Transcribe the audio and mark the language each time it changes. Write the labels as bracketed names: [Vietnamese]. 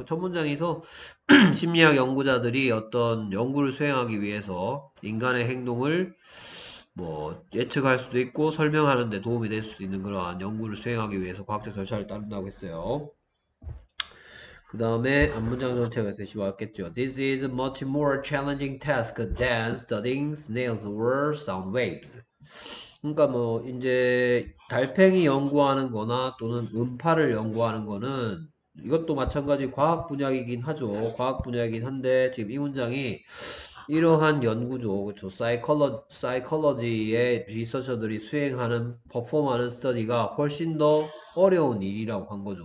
[Korean] 전문장에서 심리학 연구자들이 어떤 연구를 수행하기 위해서 인간의 행동을 뭐 예측할 수도 있고 설명하는 데 도움이 될 수도 있는 그러한 연구를 수행하기 위해서 과학적 절차를 따른다고 했어요. 그 다음에 앞문장 전체가 되시고 왔겠죠. [English] This is a much more challenging task than studying snails or sound waves. [Korean] 그러니까 뭐 이제 달팽이 연구하는 거나 또는 음파를 연구하는 거는 이것도 마찬가지 과학 분야이긴 하죠. 과학 분야이긴 한데 지금 이 문장이 이러한 연구죠. 그렇죠. 사이콜로지의 리서처들이 수행하는, 퍼포먼스 스터디가 훨씬 더 어려운 일이라고 한 거죠.